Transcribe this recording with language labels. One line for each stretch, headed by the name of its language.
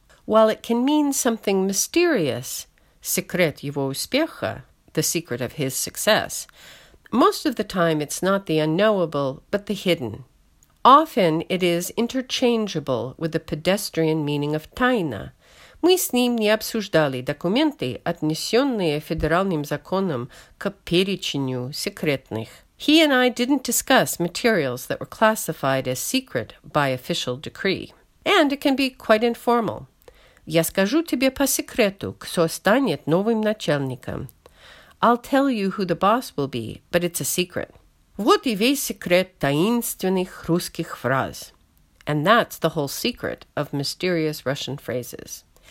English: While it can mean something mysterious, secret
Russian: его успеха,
English: the secret of his success, most of the time it's not the unknowable, but the hidden. Often it is interchangeable with the pedestrian meaning of тайна.
Russian: Мы с ним не обсуждали документы, отнесенные федеральным законом к перечню секретных.
English: He and I didn't discuss materials that were classified as secret by official decree. And it can be quite informal.
Russian: Я скажу тебе по секрету, кто станет новым начальником.
English: I'll tell you who the boss will be, but it's a secret.
Russian: Вот и весь секрет таинственных русских фраз.
English: And that's the whole secret of mysterious Russian phrases.